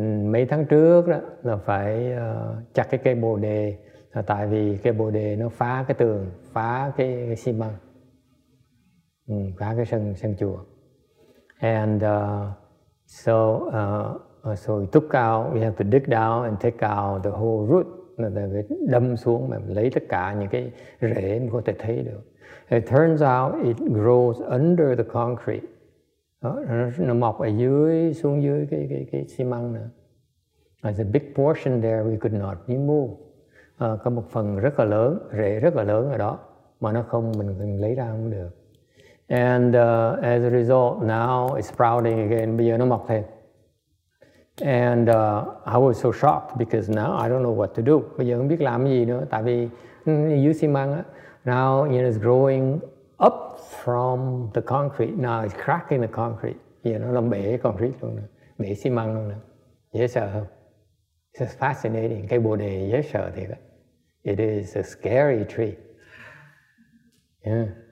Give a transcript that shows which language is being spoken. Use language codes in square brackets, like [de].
[vi] Mấy tháng trước đó là phải chặt cái cây bồ đề là tại vì cái bồ đề nó phá cái tường, phá cái xi măng. Phá cái sân chùa. [en] And so we took out, we have to dig down and take out the whole root. [vi] Đâm xuống mà lấy tất cả những cái rễ mà có thể thấy được. [en] It turns out it grows under the concrete. [vi] Nó mọc ở dưới, xuống dưới cái xi măng nữa. [en] There's a big portion there we could not remove. [vi] Có một phần rất là lớn, rễ rất là lớn ở đó. Mà nó không, mình lấy ra không được. [en] And as a result, now it's sprouting again. [vi] Bây giờ nó mọc thêm. [en] And I was so shocked because now I don't know what to do. [vi] Bây giờ không biết làm gì nữa. Tại vì dưới xi măng, [en] now you know, it's growing up from the concrete. Now it's cracking the concrete. [vi] Bây giờ nó làm bể concrete luôn nữa. Bể xi măng luôn nữa. Dễ sợ không? [en] It's fascinating. [vi] Cái bồ đề dễ sợ thiệt đó. [en] It is a scary tree. Yeah.